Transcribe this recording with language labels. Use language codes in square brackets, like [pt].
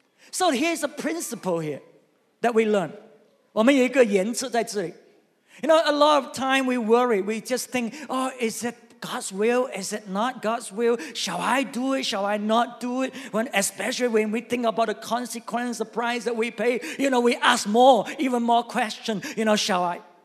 [en] So here's a principle here that we learn. [zh] 我们有一个原则在这里。 [en] You know, a lot of time we worry. We just think, oh, is it God's will? Is it not God's will? Shall I do it? Shall I not do it? When, especially when we think about the consequence, the price that we pay, you know, we ask more, even more questions, you know, shall I?